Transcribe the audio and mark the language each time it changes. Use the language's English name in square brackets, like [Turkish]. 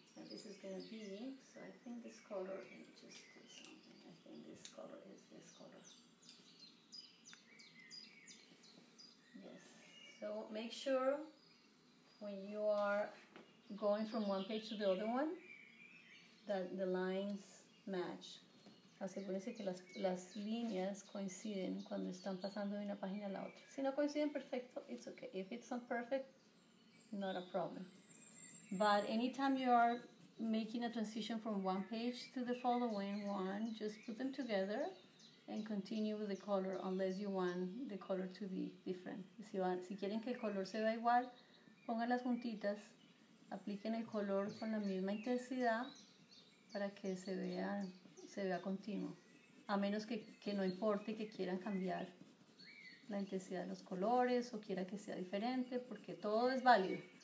[English] This is going to be, so I think this color, let me just do something, I think this color is this color. Yes, so make sure when you are going from one page to the other one, that the lines match. [Spanish] Asegúrese que las líneas coinciden cuando están pasando de una página a la otra. Si no coinciden, perfecto, [English] it's okay. If it's not perfect, not a problem. But anytime you are making a transition from one page to the following one, just put them together and continue with the color, unless you want the color to be different. [Spanish] Si quieren que el color se vea igual, pongan las juntitas, apliquen el color con la misma intensidad para que se vea continuo. A menos que no importe que quieran cambiar la intensidad de los colores o quiera que sea diferente, porque todo es válido.